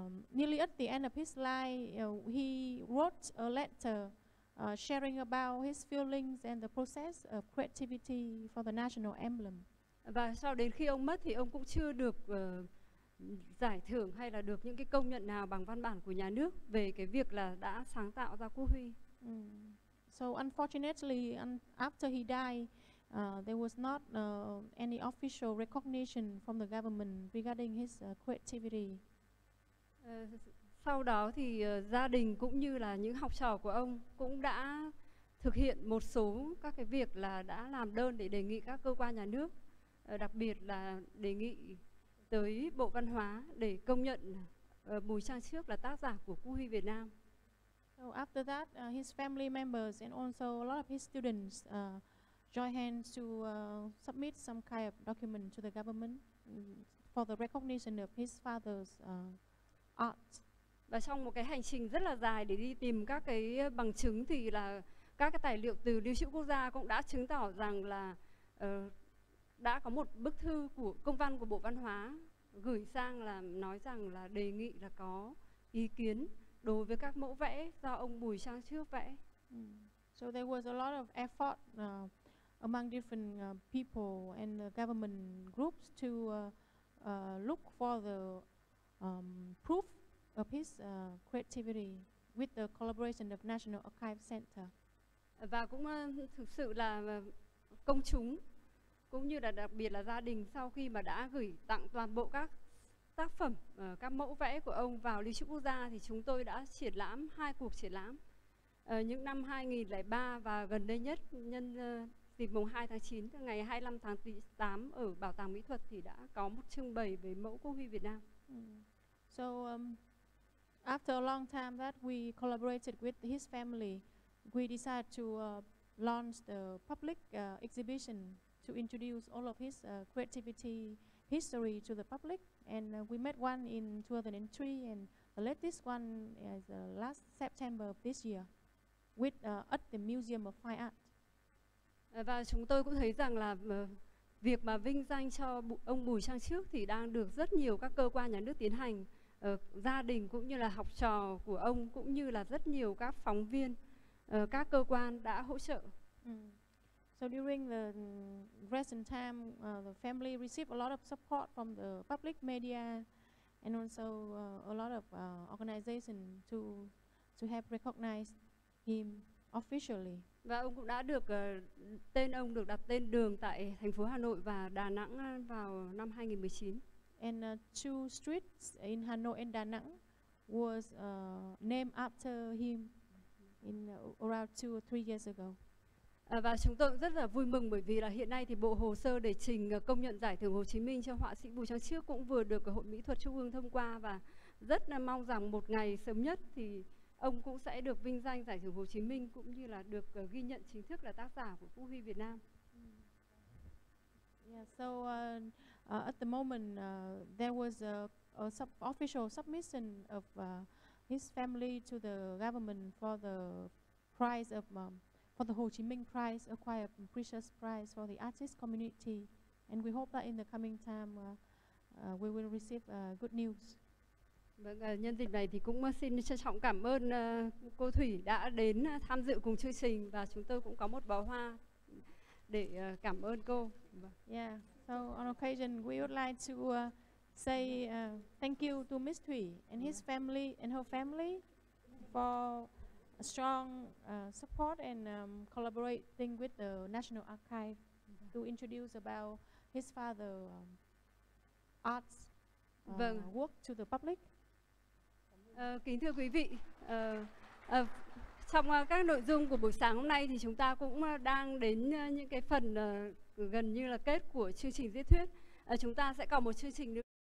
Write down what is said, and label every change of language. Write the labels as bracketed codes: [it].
[en] Nearly at the end of his life, he wrote a letter sharing about his feelings and the process of creativity for the national emblem. [vi] Và sau đến khi ông mất thì ông cũng chưa được giải thưởng hay là được những cái công nhận nào bằng văn bản của nhà nước về cái việc là đã sáng tạo ra quốc huy. [en] So unfortunately, after he died, there was not any official recognition from the government regarding his creativity. [vi] Sau đó thì gia đình cũng như là những học trò của ông cũng đã thực hiện một số các cái việc là đã làm đơn để đề nghị các cơ quan nhà nước, đặc biệt là đề nghị tới Bộ Văn hóa để công nhận Bùi Trang Trước là tác giả của quốc huy Việt Nam. [en] So after that, his family members and also a lot of his students joined hands to submit some kind of document to the government for the recognition of his father's art. [vi] Và trong một cái hành trình rất là dài để đi tìm các cái bằng chứng thì là các cái tài liệu từ lưu trữ quốc gia cũng đã chứng tỏ rằng là đã có một bức thư của công văn của Bộ Văn hóa gửi sang là nói rằng là đề nghị là có ý kiến đối với các mẫu vẽ do ông Bùi Trang Trước vẽ. [en] So there was a lot of effort among different people and the government groups to look for the proof of his creativity with the collaboration of National Archive Center. [vi] Và cũng thực sự là công chúng cũng như là đặc biệt là gia đình sau khi mà đã gửi tặng toàn bộ các tác phẩm, các mẫu vẽ của ông vào lưu trữ quốc gia thì chúng tôi đã triển lãm hai cuộc triển lãm những năm 2003 và gần đây nhất nhân dịp mùng 2 tháng 9 ngày 25 tháng 8 ở Bảo tàng Mỹ thuật thì đã có một trưng bày về mẫu quốc huy Việt Nam. [en] So after a long time that we collaborated with his family, we decided to launch the public exhibition to introduce all of his creativity history to the public. And we met one in 2003 and the latest one is last September of this year with at the Museum of Fine Art. [vi] Và chúng tôi cũng thấy rằng là việc mà vinh danh cho ông Bùi Trang Trước thì đang được rất nhiều các cơ quan nhà nước tiến hành, gia đình cũng như là học trò của ông cũng như là rất nhiều các phóng viên, các cơ quan đã hỗ trợ. [en] So during the recent time, the family received a lot of support from the public media and also a lot of organization to have recognized him officially. [vi] Và ông cũng đã được tên ông được đặt tên đường tại thành phố Hà Nội và Đà Nẵng vào năm 2019. [en] And two streets in Hà Nội and Đà Nẵng was named after him in around 2 or 3 years ago. [vi] Và chúng tôi rất là vui mừng bởi vì là hiện nay thì bộ hồ sơ để trình công nhận giải thưởng Hồ Chí Minh cho họa sĩ Bùi Trang Trước cũng vừa được Hội Mỹ thuật Trung ương thông qua và rất là mong rằng một ngày sớm nhất thì ông cũng sẽ được vinh danh giải thưởng Hồ Chí Minh cũng như là được ghi nhận chính thức là tác giả của quốc huy Việt Nam. [en] Yeah, so at the moment there was a official submission of his family to the government for the prize of for the Ho Chi Minh Prize, acquire a precious prize for the artist community, and we hope that in the coming time we will receive good news. [vi] Vâng, nhân dịp này thì cũng xin trân trọng cảm ơn cô Thủy đã đến tham dự cùng chương trình và chúng tôi cũng có một bó hoa để cảm ơn cô. [en] Yeah, so on occasion we would like to say thank you to Miss Thủy and his family and her family for a strong support and collaborating with the National Archive to introduce about his father arts [vi] vâng. [en] Work to the public. [vi] Kính thưa quý vị, trong các nội dung của buổi sáng hôm nay thì chúng ta cũng đang đến những cái phần gần như là kết của chương trình diễn thuyết. Chúng ta sẽ còn một chương trình nữa.